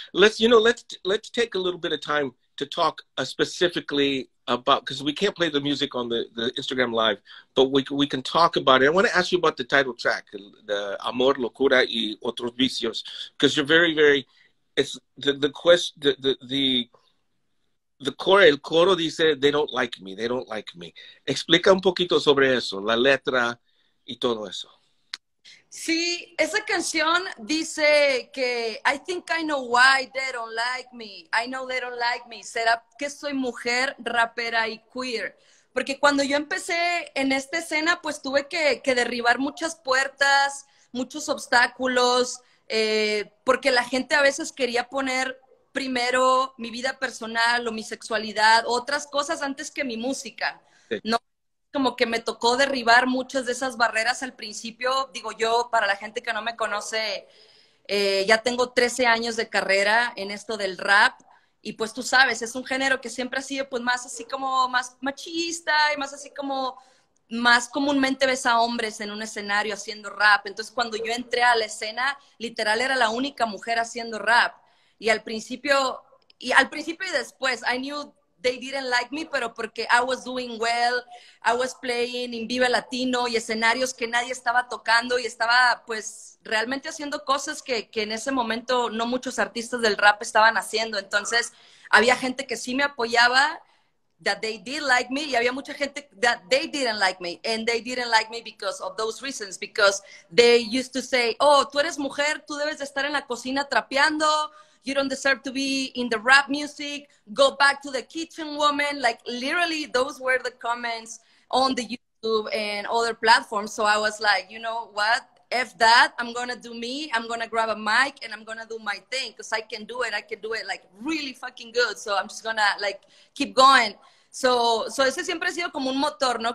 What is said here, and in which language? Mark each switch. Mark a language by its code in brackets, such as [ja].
[en] Let's take a little bit of time to talk specifically about, because we can't play the music on the Instagram Live, but we can talk about it. I want to ask you about the title track, the Amor, Locura y Otros Vicios, because you're very, very, it's the core, [es] el coro dice, [en] they don't like me. [es] Explica un poquito sobre eso, la letra y todo eso. Sí, esa canción dice que [en] I think I know why they don't like me. I know they don't like me. [es] Será que soy mujer, rapera y queer. Porque cuando yo empecé en esta escena, pues tuve que derribar muchas puertas, muchos obstáculos, porque la gente a veces quería poner primero mi vida personal o mi sexualidad, o otras cosas antes que mi música, ¿no? Como que me tocó derribar muchas de esas barreras al principio. Digo, yo, para la gente que no me conoce, ya tengo 13 años de carrera en esto del rap, y pues tú sabes, es un género que siempre ha sido pues más así como más machista y más así como más comúnmente ves a hombres en un escenario haciendo rap. Entonces, cuando yo entré a la escena, literal era la única mujer haciendo rap, y al principio y después, [en] I knew they didn't like me, [es] pero porque [en] I was doing well, I was playing in [es] Vive Latino y escenarios que nadie estaba tocando, y estaba pues realmente haciendo cosas que en ese momento no muchos artistas del rap estaban haciendo. Entonces había gente que sí me apoyaba, [en] that they did like me, [es] y había mucha gente [en] that they didn't like me, and they didn't like me because of those reasons, because they used to say, oh, [es] tú eres mujer, tú debes de estar en la cocina trapeando, [en] you don't deserve to be in the rap music, go back to the kitchen woman. Like, literally, those were the comments on the YouTube and other platforms. So I was like, you know what? F that, I'm gonna do me, I'm gonna grab a mic, and I'm gonna do my thing, because I can do it. I can do it, like, really fucking good. So I'm just gonna, like, keep going. [es] So ese siempre ha sido como un motor, ¿no?